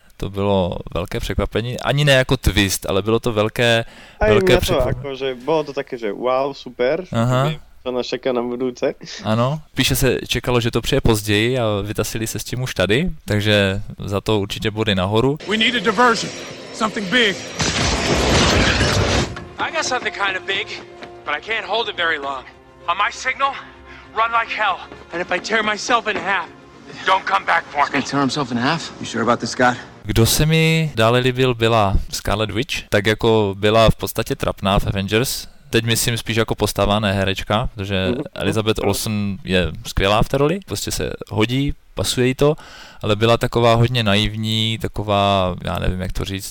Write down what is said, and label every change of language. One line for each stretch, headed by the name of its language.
Czech: To bylo velké překvapení, ani ne jako twist, ale bylo to velké, aj velké to, překvapení. Jako, že bylo to také, že wow, super, aha. To nás čeká na budouce. Ano, píše se čekalo, že to přijde později a vytasili se s tím už tady, takže za to určitě body nahoru.
English: We need a diversion, something big. I got something kind of big, but I can't hold it very long. On my signal, run like hell, and if I tear myself in half, don't come back for me. He's gonna tear himself in half? You sure about this, Scott?
Czech: Kdo se mi dále líbil, byla Scarlet Witch, tak jako byla v podstatě trapná v Avengers. Teď myslím spíš jako postava, ne herečka, protože Elizabeth Olsen je skvělá v té roli, prostě se hodí, pasuje jí to, ale byla taková hodně naivní, taková, já nevím, jak to říct.